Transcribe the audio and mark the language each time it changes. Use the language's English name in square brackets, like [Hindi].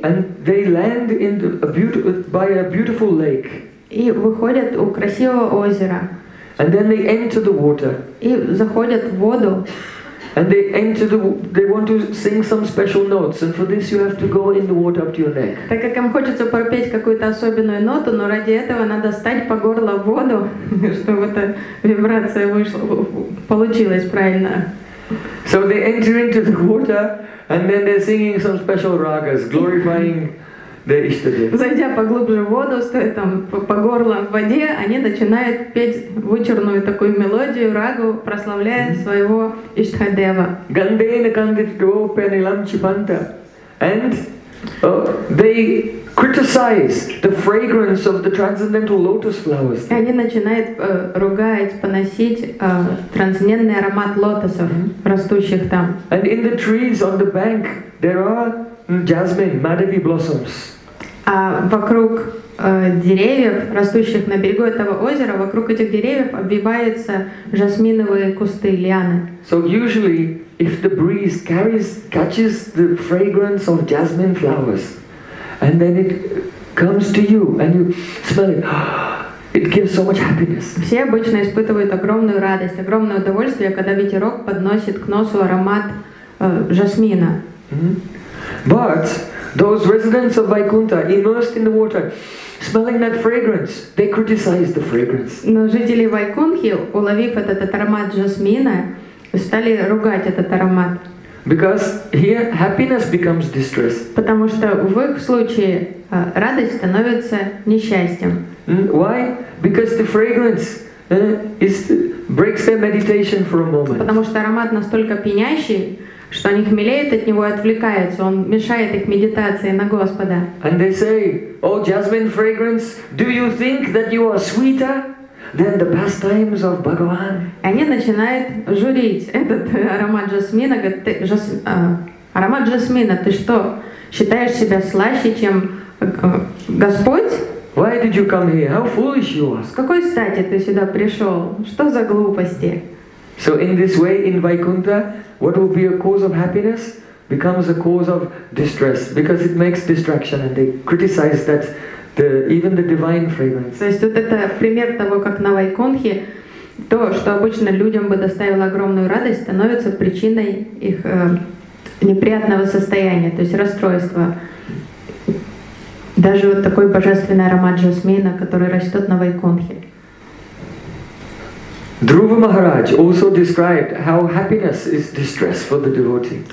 [English] And they land in by a beautiful lake. [Russian] И выходят у красивого озера. [English] And then they enter the water. [Russian] И заходят в воду. [English] And they want to sing some special notes, and for this you have to go in the water up to your neck. [Russian] Так как им хочется пропеть какую-то особенную ноту, но ради этого надо встать по горло в воду, чтобы эта вибрация вышла, получилась правильно. [English] So they enter into the water, and then they're singing some special ragas, glorifying the Ishtadev. [Russian] Зайдя поглубже в воду, стоя там по горло в воде, они начинают петь вычурную такую мелодию, рагу, прославляя своего Ishtadeva. [Sanskrit] Gandena kandita diopya nilam chipanta. [English] And they criticize the fragrance of the transcendental lotus flowers. [Russian] И они начинают ругать, поносить трансцендентный аромат лотосов, растущих там. [English] And in the trees on the bank, there are jasmine, madhavi blossoms. [Russian] А вокруг деревьев, растущих на берегу этого озера, вокруг этих деревьев обвиваются жасминовые кусты, лианы. [English] So usually, if the breeze catches the fragrance of jasmine flowers, and then it comes to you, and you smell it, It gives so much happiness. [Russian] Все обычно испытывают огромную радость, огромное удовольствие, когда ветерок подносит к носу аромат жасмина. Mm-hmm. [English] But those residents of Vaikuntha, immersed in the water, smelling that fragrance, they criticized the fragrance. [Russian] Но жители Вайкунхи, уловив этот аромат жасмина, стали ругать этот аромат. [English] Because here happiness becomes distress. [Russian] Потому что в их случае радость становится несчастьем. [English] Why? Because the fragrance breaks their meditation for a moment. [Russian] Потому что аромат настолько пьянящий, что они хмелеют от него и отвлекаются, он мешает их медитации на Господа. [English] And they say, oh, jasmine fragrance, do you think that you are sweeter than the pastimes of Bhagavan? [Russian] Они начинают журить этот аромат жасмина, говорят, аромат жасмина, ты что, считаешь себя слаще, чем Господь? [English] Why did you come here? How foolish you are! [Russian] С какой стати ты сюда пришел? Что за глупости? [English] So in this way, in Vaikuntha, what will be a cause of happiness becomes a cause of distress, because it makes distraction, and they criticize that even the divine fragrance. [Russian] То есть вот это пример того, как на Вайкунхе то, что обычно людям бы доставило огромную радость, становится причиной их неприятного состояния, то есть расстройства. Даже вот такой божественный аромат жасмина, который растет на Вайкунхе. [English] Dhruva Maharaj also described how happiness is distress for the devotee.